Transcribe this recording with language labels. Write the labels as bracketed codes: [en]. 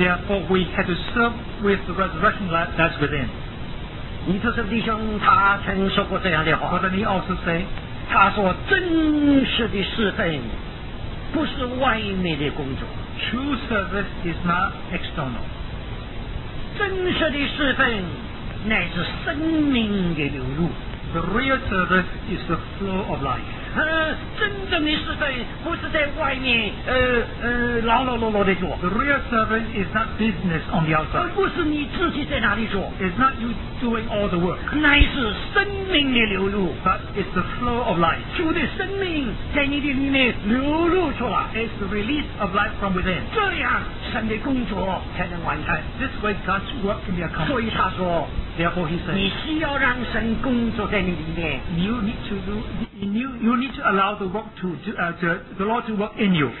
[en] therefore we have to serve with the resurrection life that's within. [zh] 尼特斯弟兄他曾说过这样的话, [en] but then he also say, [zh] 他说真实的侍奉不是外面的工作, [en] true service is not external. [zh] 真实的侍奉乃是生命的流入, [en] the real service is the flow of life. [zh] 真正的侍奉不是在外面劳劳碌碌的做, [en] the real service is not business on the outside. [zh] 不是你自己在哪里做, [en] it's not you doing all the work, [zh] 乃是生命的流入, [en] but it's the flow of life. [zh] 主的生命在你的里面流入出来, [en] it's the release of life from within. [zh] 这样神的工作才能完成, [en] this way God's work can be accomplished. [zh] 所以他说, [en] therefore he says, [zh] 你需要让神工作在你里面, [en] you need to allow the work to the Lord to work in you.